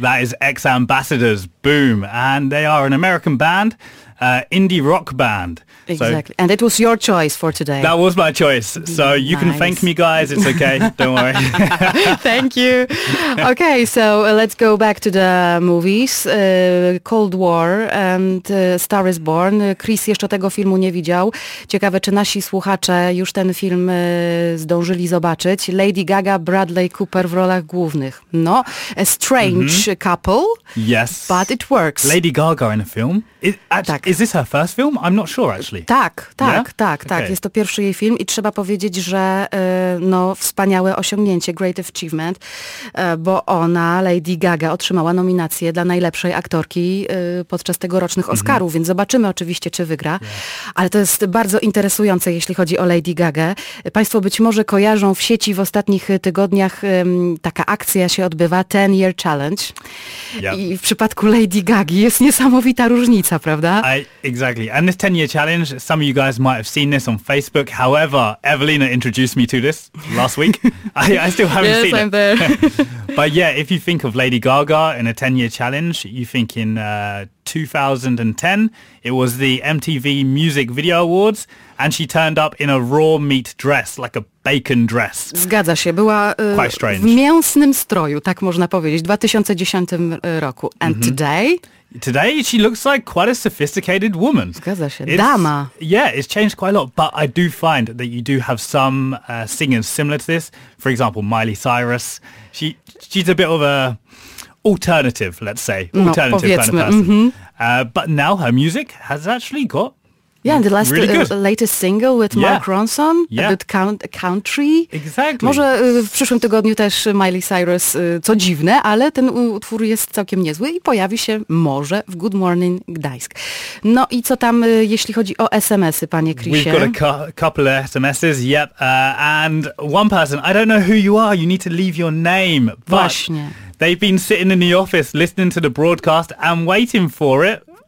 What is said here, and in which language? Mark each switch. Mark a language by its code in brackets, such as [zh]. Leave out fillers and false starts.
[en] That is Ex-Ambassadors, Boom. And they are an American band, indie rock band. Exactly. So, and it was your choice for today. That was my choice. So you can thank me, guys. It's okay. Don't worry. Thank you. Okay, so let's go back to the movies. Cold War and Star is Born. [pl] Chris jeszcze tego filmu nie widział. Ciekawe, czy nasi słuchacze już ten film zdążyli zobaczyć. Lady Gaga, Bradley Cooper w rolach głównych. [en] No, a strange couple. Yes. But it works. Lady Gaga in a film? Is this her first film? I'm not sure, actually. [pl] Tak. Okay. Jest to pierwszy jej film i trzeba powiedzieć, że no, wspaniałe osiągnięcie, [en] great achievement, [pl] bo ona, Lady Gaga, otrzymała nominację dla najlepszej aktorki podczas tegorocznych Oscarów, więc zobaczymy oczywiście, czy wygra. Yeah. Ale to jest bardzo interesujące, jeśli chodzi o Lady Gagę. Państwo być może kojarzą w sieci w ostatnich tygodniach, taka akcja się odbywa, 10 Year Challenge. Yeah. I w przypadku Lady Gagi jest niesamowita różnica, prawda? [en] Exactly. And this 10 Year Challenge, some of you guys might have seen this on Facebook. However, Evelina introduced me to this last week. I still haven't yes, seen I'm it. There. But yeah, if you think of Lady Gaga in a 10-year challenge, you think in 2010, it was the MTV Music Video Awards, and she turned up in a raw meat dress, like a bacon dress. [pl] Zgadza się, była [en] quite strange. [pl] W mięsnym stroju, tak można powiedzieć, w 2010 roku. [en] And today... Today she looks like quite a sophisticated woman. [pl] Zgadza się. Dama. [en] Yeah, it's changed quite a lot, but I do find that you do have some singers similar to this. For example, Miley Cyrus. She's a bit of a alternative, let's say. Alternative no, kind of person. But now her music has actually got yeah, the last, really latest single with Mark Ronson, a bit country. Exactly. [pl] Może w przyszłym tygodniu też Miley Cyrus, co dziwne, ale ten utwór jest całkiem niezły i pojawi się może w Good Morning Gdańsk. No i co tam, jeśli chodzi o SMS-y, panie Chrisie? [en] We've got a couple of SMS-es, yep. And one person, I don't know who you are, you need to leave your name. But [pl] właśnie. [en] They've been sitting in the office listening to the broadcast and waiting for it.